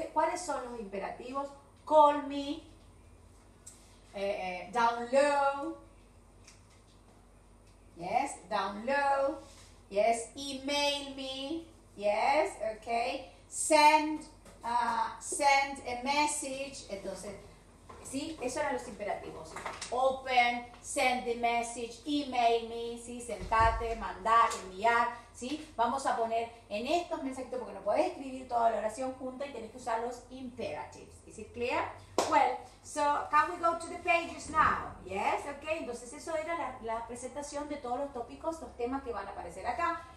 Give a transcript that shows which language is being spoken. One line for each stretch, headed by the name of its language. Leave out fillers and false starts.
Spanish: ¿Cuáles son los imperativos?
English: Call me, download, yes, download, yes, email me, yes, okay, send a message.
Spanish: Entonces, ¿sí? Esos eran los imperativos.
English: Open, send the message, email me,
Spanish: ¿sí? Sentate, mandar, enviar, ¿sí? Vamos a poner en estos mensajitos porque no puedes escribir toda la oración junta y tienes que usar los imperatives.
English: Is it clear? Well, so can we go to the pages now? Yes, okay.
Spanish: Entonces eso era la presentación de todos los tópicos, los temas que van a aparecer acá.